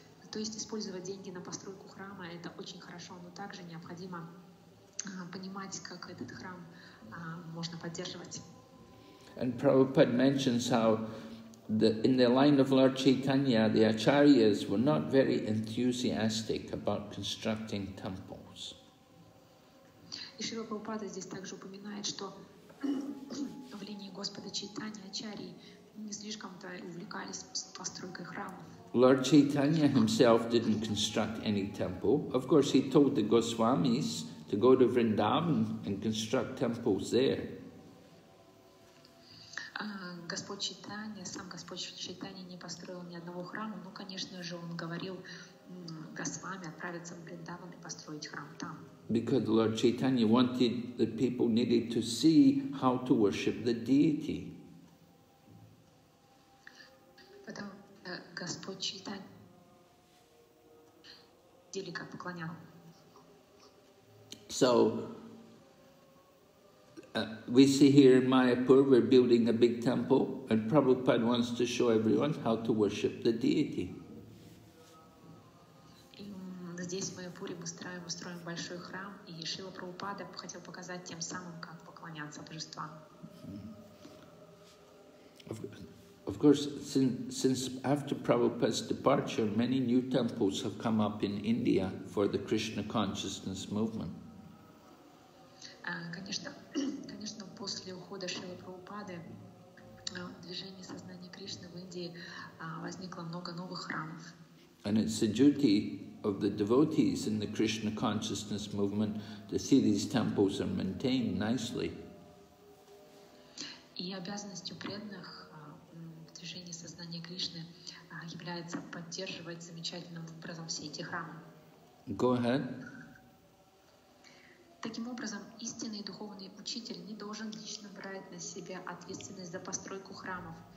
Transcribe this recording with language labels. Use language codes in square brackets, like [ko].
[ru] То есть использовать деньги на постройку храма – это очень хорошо, но также необходимо понимать, как этот храм можно поддерживать. [en] And Prabhupada mentions how in the line of Lord Chaitanya, the acharyas were not very enthusiastic about constructing temples. [ru] И Шрила Прабхупада здесь также упоминает, что в линии Господа Чайтаньи ачарьи не слишком-то увлекались постройкой храма. [en] Lord Chaitanya himself didn't construct any temple. Of course, he told the Goswamis to go to Vrindavan and construct temples there. [ru] Господь Чайтанья, сам Господь Чайтанья не построил ни одного храма, но, конечно же, он говорил Госвами отправиться в Вриндаван и построить храм там. [en] Because Lord Chaitanya wanted that people needed to see how to worship the deity. [ru] Господь Чайтанья делика поклонял. [en] So we see here in Mayapur we're building a big temple and Prabhupada wants to show everyone how to worship the deity. [ru] Здесь в Майяпуре мы строим большой храм, и Шрила Прабхупада хотел показать тем самым, как поклоняться божествам. [en] Of course, since after Prabhupada's departure, many new temples have come up in India for the Krishna consciousness movement. [ru] Конечно, после ухода Шрилы Прабхупады движение сознания Кришны в Индии возникло много новых храмов. [en] And it's the duty of the devotees in the Krishna consciousness movement to see these temples are maintained nicely. [ru] И обязанностью преданных движение сознания Кришны является поддерживать замечательным образом все эти храмы. [en] Go ahead. [ru] Таким образом, истинный духовный учитель не должен лично брать на себя ответственность за постройку храмов.